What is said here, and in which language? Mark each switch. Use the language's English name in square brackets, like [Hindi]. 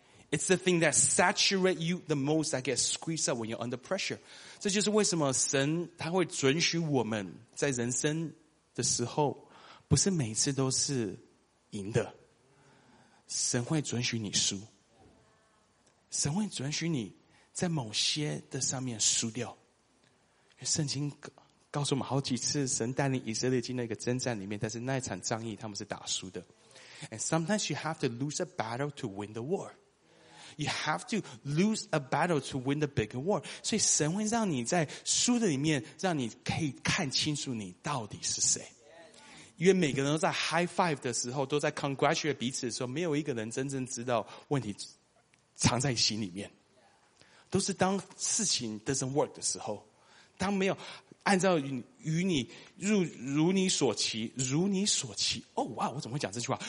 [English] It's the thing that saturates you the most that gets squeezed up when you're under pressure. [Chinese] 这就是为什么神他会准许我们在人生的时候不是每次都是赢的，神会准许你输，神会准许你在某些的上面输掉。圣经告诉我们好几次神带领以色列进那个征战里面，但是那一场战役他们是打输的。 [English] And sometimes you have to lose a battle to win the war. You have to lose a battle to win the bigger war. [Chinese] 所以神会让你在输的里面，让你可以看清楚你到底是谁。因为每个人都在 high five 的时候，都在 congratulate 彼此的时候，没有一个人真正知道问题藏在心里面。都是当事情 [English] doesn't work [Chinese] 的时候，当没有按照与你如你所期，如你所期，哦哇，我怎么会讲这句话？